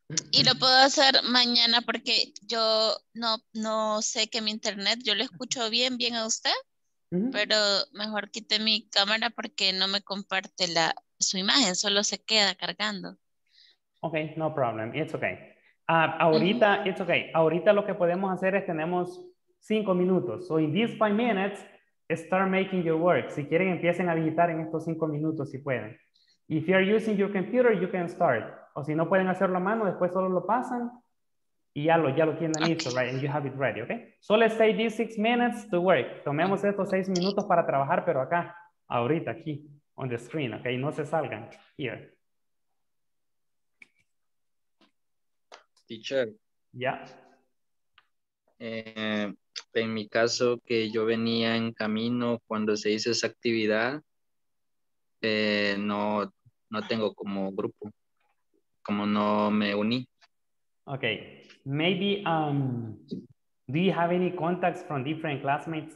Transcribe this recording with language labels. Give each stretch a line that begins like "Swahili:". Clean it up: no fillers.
Spanish: Y lo puedo hacer mañana porque yo no sé que mi internet, yo lo escucho bien a usted. Pero mejor quite mi cámara porque no me comparte su imagen, solo se queda cargando.
English: Ok, no problem, it's okay. Ahorita, it's okay.
Spanish: Ahorita lo que podemos hacer es tenemos 5 minutos.
English: So in these 5 minutes, start making your work.
Spanish: Si quieren, empiecen a digitar en estos 5 minutos si pueden.
English: If you are using your computer, you can start.
Spanish: O si no pueden hacerlo a mano, después solo lo pasan. Y ya lo tienen listo,
English: right? And you have it ready, okay? So let's say these 6 minutes to work.
Spanish: Tomemos estos 6 minutos para trabajar, pero acá, ahorita, aquí,
English: on the screen,
Spanish: okay? No se salgan, here.
English: Teacher. Yeah.
Spanish: En mi caso, que yo venía en camino cuando se hizo esa actividad, no tengo como grupo, como no me uní.
English: Okay. Maybe, do you have any contacts from different classmates?